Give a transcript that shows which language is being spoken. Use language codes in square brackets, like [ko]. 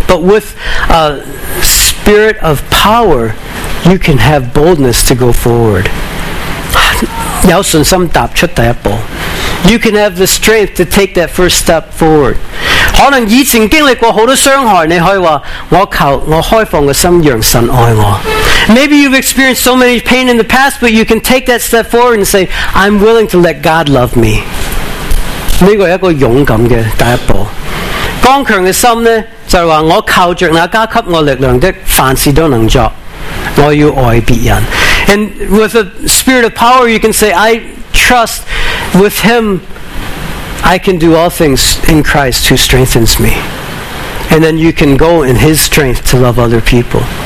[en] But with a spirit of power, you can have boldness to go forward. [zh] 有信心踏出第一步。 [en] You can have the strength to take that first step forward. [zh] 可能以前经历过很多伤害，你可以说，我开放个心，让神爱我。 [en] Maybe you've experienced so many pain in the past, but you can take that step forward and say, I'm willing to let God love me. [zh] 这是一个勇敢的第一步。刚强的心呢，就是说我靠着那加给我力量的，凡事都能做。我要爱别人。 [en] And with a spirit of power, you can say, I trust with Him, I can do all things in Christ who strengthens me. And then you can go in His strength to love other people.